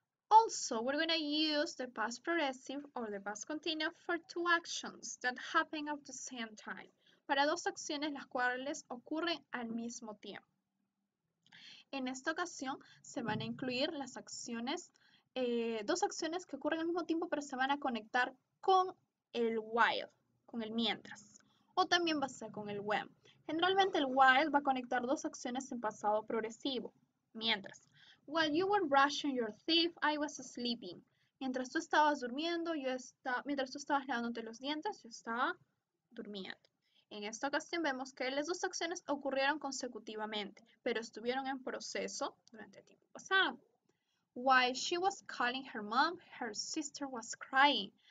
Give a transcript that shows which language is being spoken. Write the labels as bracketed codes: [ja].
[en] Also, we're going to use the past progressive or the past continuous for two actions that happen at the same time. [es] Para dos acciones las cuales ocurren al mismo tiempo. En esta ocasión se van a incluir las acciones, dos acciones que ocurren al mismo tiempo, pero se van a conectar con el while, con el mientras. O también va a ser con el when. Generalmente el while va a conectar dos acciones en pasado progresivo, mientras. [en] While you were brushing your teeth, I was sleeping. [es] Mientras tú estabas durmiendo, mientras tú estabas lavándote los dientes, yo estaba durmiendo. En esta ocasión vemos que las dos acciones ocurrieron consecutivamente, pero estuvieron en proceso durante el tiempo pasado. [en] While she was calling her mom, her sister was crying.